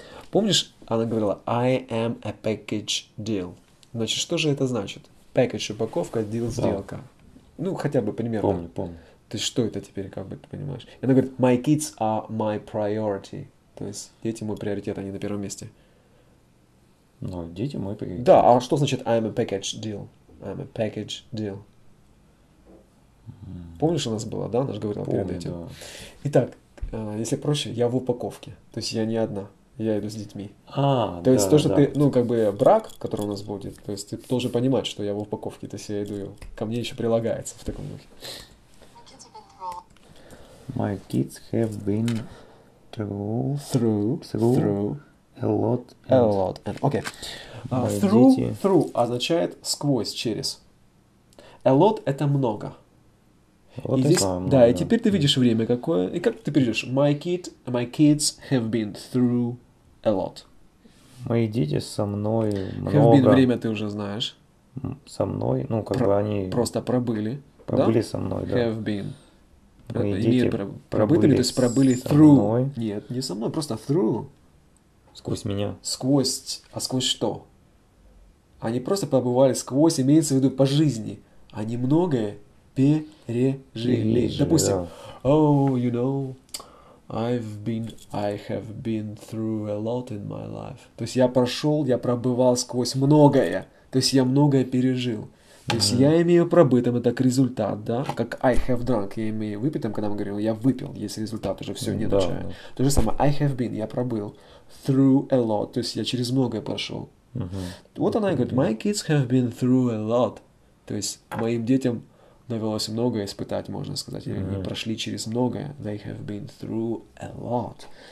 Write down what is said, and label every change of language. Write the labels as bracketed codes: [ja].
[ru] Помнишь, она говорила, [en] I am a package deal. [ru] Значит, что же это значит? Package, упаковка, deal, сделка. Ну, хотя бы примерно. Помню. То есть, что это теперь, как бы ты понимаешь? И она говорит, [en] my kids are my priority. [ru] То есть, дети мой приоритет, они на первом месте. Ну, дети мой приоритет. Да, а что значит [en] I am a package deal? I am a package deal. [ru] Помнишь, у нас было, да? Она же говорила перед этим. Да. Итак, если проще, я в упаковке. То есть, я не одна. Я иду с детьми. А, то есть, да, то, что да. ты, ну, как бы, брак, который у нас будет, то есть, ты должен понимать, что я в упаковке, то есть, я иду, ко мне еще прилагается в таком духе. [en] My kids have been through... Through. A lot. Okay. [ru] Through означает сквозь, через. [en] A lot [ru] – это много. Вот и здесь, да, и теперь ты видишь время какое. И как ты перейдешь? [en] My kids have been through... A lot. [ru] Мои дети со мной много. [en] Have been [ru] время ты уже знаешь. Со мной, ну как бы они... Просто пробыли. Пробыли да? со мной, да. [en] Have been. [ru] Мои дети пробыли, то есть пробыли through. Мной. Нет, не со мной, просто through. Сквозь меня. А сквозь что? Они просто пробывали сквозь, имеется в виду по жизни. Они многое пережили. Допустим, [en] oh, you know, I have been through a lot in my life. [ru] То есть я прошел, я пробывал сквозь многое. То есть я многое пережил. То есть я имею пробытым, это как результат, да? Как [en] I have drunk, [ru] я имею выпитым, когда мы говорим, я выпил, есть результат, уже все, нет чая. Да. То же самое, [en] I have been, [ru] я пробыл, [en] through a lot, [ru] то есть я через многое прошел. Вот она и говорит, [en] my kids have been through a lot. [ru] То есть моим детям довелось многое испытать, можно сказать. Они прошли через многое. [en] They have been through a lot.